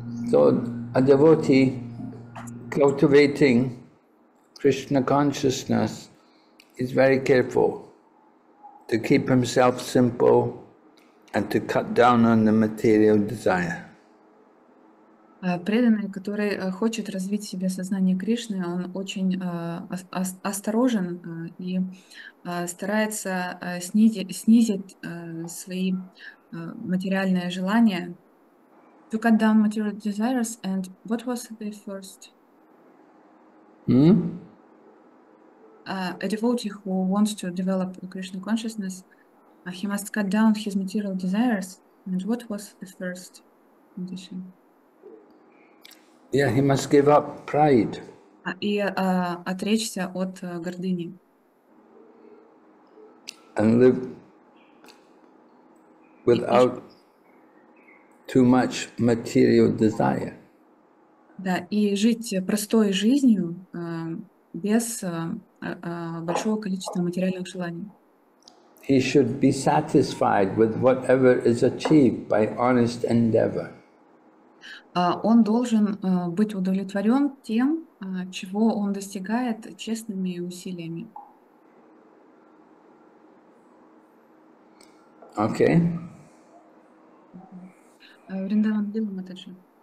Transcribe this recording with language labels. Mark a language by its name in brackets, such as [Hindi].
[English] So a devotee cultivating Krishna consciousness is very careful to keep himself simple and to cut down on the material desire. [Russian] Преданный, который хочет развить в себе сознание Кришны, он очень осторожен и старается снизить свои материальные желания. [English] To cut down material desires, and what was the first? A devotee who wants to develop Krishna consciousness, he must cut down his material desires. And what was the first condition? Yeah, he must give up pride. [Russian] И отречься от гордыни. [English] And live without too much material desire. [Russian] Да, и жить простой жизнью без большого количества материальных желаний. [English] He should be satisfied with whatever is achieved by honest endeavor. [Russian] Он должен быть удовлетворен тем, чего он достигает честными усилиями. [English] Okay. [Russian] Вриндаван Лила Матаджи.